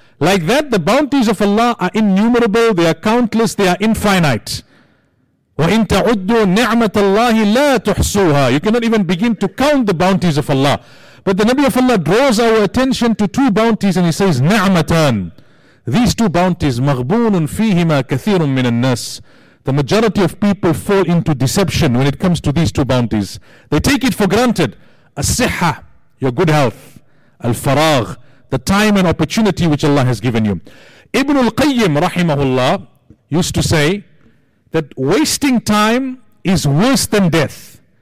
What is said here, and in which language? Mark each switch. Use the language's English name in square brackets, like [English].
[English] Like that, the bounties of Allah are innumerable, they are countless, they are infinite. [Arabic] وَإِن تَعُدُّوا نِعْمَةَ اللَّهِ لَا تُحْصُوهَا. [English] You cannot even begin to count the bounties of Allah. But the Nabi of Allah draws our attention to two bounties and he says, Ni'matan. These two bounties, [Arabic] مَغْبُونٌ فِيهِمَا كَثِيرٌ مِّنَ النَّاسِ. [English] The majority of people fall into deception when it comes to these two bounties. They take it for granted. As-sihha, your good health. Al-faragh, the time and opportunity which Allah has given you. Ibn al-Qayyim, rahimahullah, used to say that wasting time is worse than death.